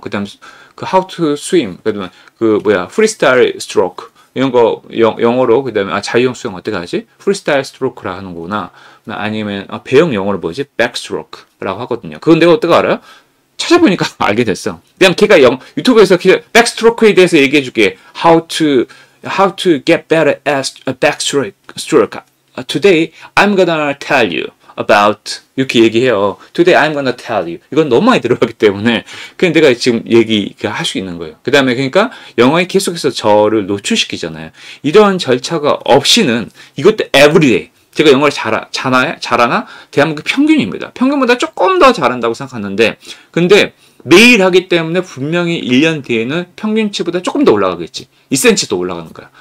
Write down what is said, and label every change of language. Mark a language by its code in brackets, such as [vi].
[ko] 그 다음에 그 [en] how to swim freestyle stroke [ko] 이런 거 영어로 그 다음에 아, 자유형 수영 어떻게 하지? 프리스타일 스트로크라 하는구나 아니면 아, 배영 영어로 뭐지? 백스트로크라고 하거든요. 그건 내가 어떻게 알아요? 찾아보니까 알게 됐어. 그냥 걔가 유튜브에서 백스트로크에 대해서 얘기해 줄게. [en] How to get better at backstroke today I'm gonna tell you about [ko] 이렇게 얘기해요. [en] Today I'm gonna tell you. [ko] 이건 너무 많이 들어가기 때문에 그냥 내가 지금 얘기할 수 있는 거예요. 그 다음에 그러니까 영어에 계속해서 저를 노출시키잖아요. 이런 절차가 없이는 이것도 everyday 제가 영어를 잘하나? 대한민국 평균입니다. 평균보다 조금 더 잘한다고 생각하는데 근데 매일 하기 때문에 분명히 1년 뒤에는 평균치보다 조금 더 올라가겠지. 2cm 더 올라가는 거야.